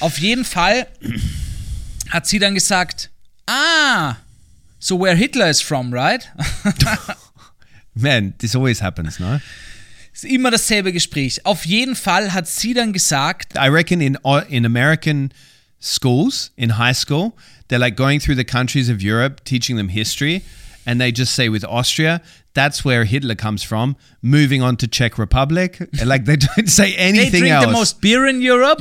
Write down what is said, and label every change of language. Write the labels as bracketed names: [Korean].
[German] Auf jeden Fall hat sie dann gesagt, ah, [English] so where Hitler is from, right? Man, this always happens, no? [German] Es ist immer dasselbe Gespräch. Auf jeden Fall hat sie dann gesagt, [English] I reckon in American schools, in high school, they're like going through the countries of Europe, teaching them history, and they just say with Austria, that's where Hitler comes from, moving on to Czech Republic. Like, they don't say anything else. They drink else. The most beer in Europe.